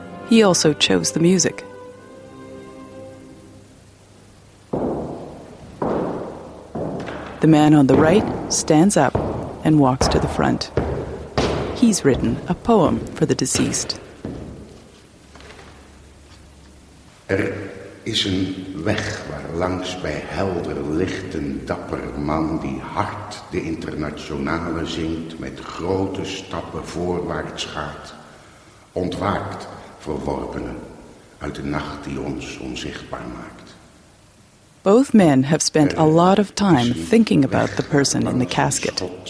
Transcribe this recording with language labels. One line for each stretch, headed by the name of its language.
English: He also chose the music. The man on the right stands up and walks to the front. He's written a poem for the deceased.
Dutch: Er is een weg waar langs bij helder licht een dapper man die hard de internationale zingt, met grote stappen voorwaarts gaat, ontwaakt verworpenen uit de nacht die ons onzichtbaar maakt.
English: Both men have spent a lot of time thinking about the person in the casket.